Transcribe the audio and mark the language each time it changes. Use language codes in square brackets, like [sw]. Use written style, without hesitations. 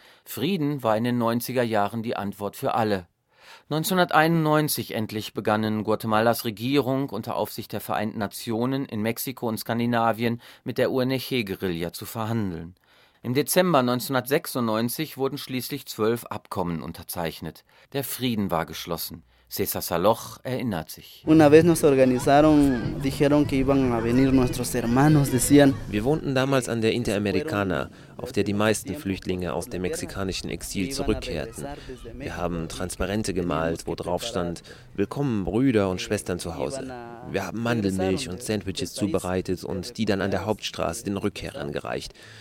[de] Frieden war in den 90er Jahren die Antwort für alle. 1991 endlich begannen Guatemalas Regierung unter Aufsicht der Vereinten Nationen in Mexiko und Skandinavien mit der UNG-Guerilla zu verhandeln. Im Dezember 1996 wurden schließlich 12 Abkommen unterzeichnet. Der Frieden war geschlossen. César Saloch erinnert sich. [es] Una vez nos organizaron, dijeron que iban a venir nuestros hermanos, decían. [de] Wir wohnten damals an der Interamericana, auf der die meisten Flüchtlinge aus dem mexikanischen Exil zurückkehrten. Wir haben Transparente gemalt, wo drauf stand: Willkommen, Brüder und Schwestern zu Hause. Wir haben Mandelmilch und Sandwiches zubereitet und die dann an der Hauptstraße den Rückkehrern gereicht.